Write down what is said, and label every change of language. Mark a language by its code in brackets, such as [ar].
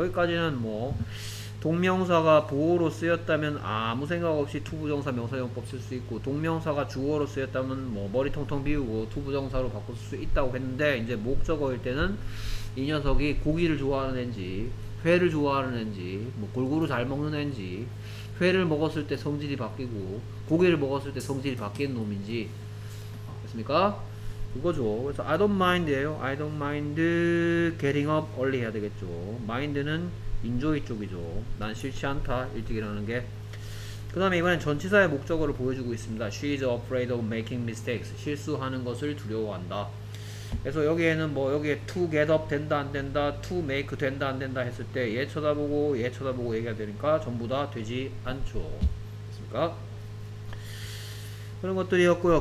[ko] 여기까지는 뭐 동명사가 보어로 쓰였다면 아무 생각 없이 to 부정사 명사용법 쓸 수 있고 동명사가 주어로 쓰였다면 뭐 머리 통통 비우고 to 부정사로 바꿀 수 있다고 했는데 이제 목적어일 때는 이 녀석이 고기를 좋아하는 앤지 회를 좋아하는 앤지 뭐 골고루 잘 먹는 앤지 회를 먹었을 때 성질이 바뀌고 고기를 먹었을 때 성질이 바뀐 놈인지 됐습니까? 그거죠. 그래서 [en] I don't mind예요. I don't mind getting up early [ko] 해야 되겠죠. mind는 enjoy 쪽이죠. 난 싫지 않다 일찍이라는 게. 그 다음에 이번엔 전치사의 목적어를 보여주고 있습니다. [en] She is afraid of making mistakes. [ko] 실수하는 것을 두려워한다. 그래서 여기에는 뭐 여기에 to get up 된다 안 된다 to make 된다 안 된다 했을 때 얘 쳐다보고 얘 쳐다보고 얘기가 되니까 전부 다 되지 않죠. 됐습니까? 그런 것들이었고요.